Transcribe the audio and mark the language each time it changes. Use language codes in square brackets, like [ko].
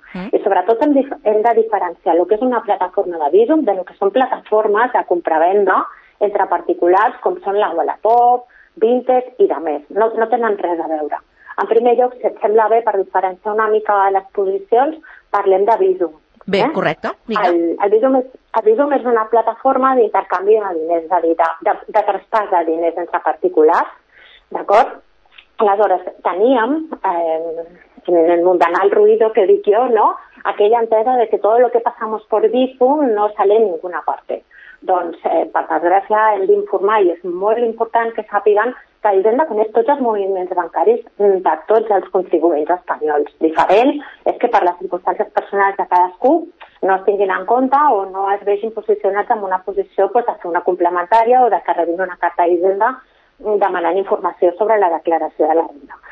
[ca] I sobretot hem de diferenciar el que és una plataforma de Bizum del que són plataformes de compra-venda entre particulars com són la Wallapop, Vinted i demés. No tenen res a veure. En primer lloc, si et sembla bé, per diferenciar una mica les posicions, parlem de Bizum. Bé, correcte. El Bizum és una plataforma d'intercanvi de diners, és a dir, de traspàs de diners entre particulars. D'acord? Aleshores, teníem, en [es] el mundanal el ruido [ca] que dic jo, no? Aquella entesa de que tot el que [es] passamos por Bizum no sale en ninguna parte. [ca] Doncs, per desgràcia, hem d'informar, i és molt important que sàpiguen, que Hisenda coneix tots els moviments bancaris de tots els contribuents espanyols. Diferent és que per les circumstàncies personals de cadascú no es tinguin en compte o no es vegin posicionats en una posició de fer una complementària o de que rebin una carta a Hisenda demanant informació sobre la declaració de la renda.